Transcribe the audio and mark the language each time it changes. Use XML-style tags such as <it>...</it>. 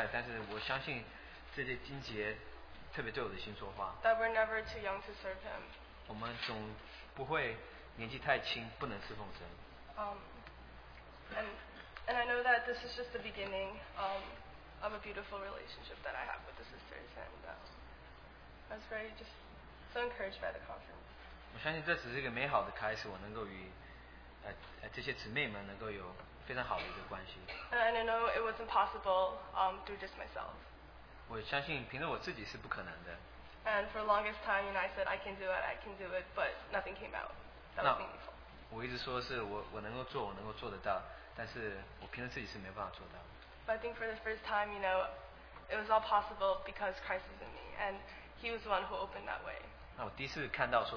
<zh>这当然，当初保罗是在激励提摩太，但是我相信这些经节。</zh> <en>That we're never too young to serve him.</en> <zh>我们总不会年纪太轻不能侍奉神。</zh> <en>And I know that this is just the beginning of a beautiful relationship that I have with the sisters, and I was very just so encouraged by the conference.</en> <zh>我相信这只是一个美好的开始，我能够与这些姊妹们能够有非常好的一个关系。</zh> <en>And I know it was impossible through just myself.</en> <zh>我相信凭着我自己是不可能的。</zh> <en>And for the longest time, you know, I said I can do it, but nothing came out. That was meaningful.</en> <zh>我一直说是我能够做得到，但是我凭着自己是没办法做到。</zh> <en>But I think for the first time, you know, it was all possible because Christ is in me, and He was the one who opened that way.</en>